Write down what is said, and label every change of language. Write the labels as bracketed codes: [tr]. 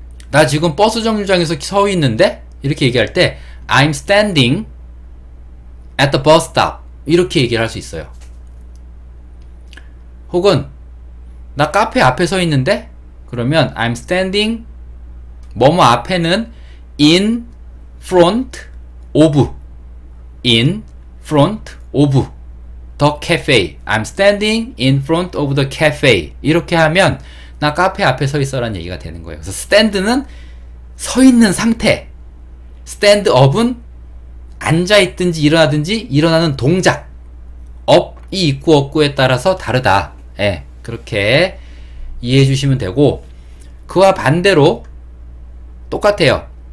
[ko] 나 지금 버스 정류장에서 서 있는데? 이렇게 얘기할 때 [en] I'm standing at the bus stop. [ko] 이렇게 얘기를 할수 있어요. 혹은 나 카페 앞에 서 있는데? [en] 그러면 I'm standing [ko] 뭐뭐 앞에는 [en] in front of in front of the cafe. I'm standing in front of the cafe. [ko] 이렇게 하면 나 카페 앞에 서 있어라는 얘기가 되는 거예요. 그래서 stand는 서 있는 상태. stand up은 앉아 있든지 일어나든지 일어나는 동작. up이 있고 없고에 따라서 다르다. 예, 그렇게 이해해 주시면 되고, 그와 반대로 똑같아요.